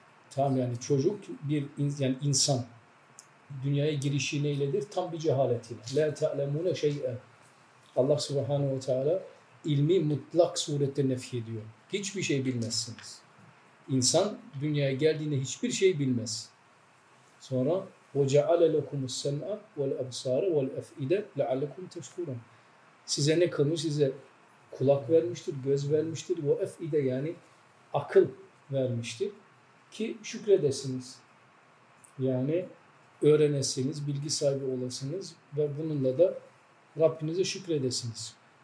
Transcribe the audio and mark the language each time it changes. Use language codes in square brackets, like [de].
[tr] Tamam, yani çocuk bir yani insan dünyaya girişi neyledir? Tam bir cehaletiyle. [ar] La ta'lemune şey. [tr] Allah Subhanahu ve Teala ilmi mutlak surette nefh ediyor. Hiçbir şey bilmezsiniz. İnsan dünyaya geldiğinde hiçbir şey bilmez. Sonra [ar] وَجَعَلَ لَكُمُ السَّمْعَ وَالْأَبْصَارَ وَالْأَفْئِدَ لَعَلَّكُمْ تَشْكُرُونَ. [tr] Size ne kılmış? Size kulak vermiştir, göz vermiştir. [ar] وَأَفْئِدَ [tr] yani akıl vermiştir. Ki şükredesiniz. Yani öğrenesiniz, bilgi sahibi olasınız ve bununla da Rabbinize şükredesiniz.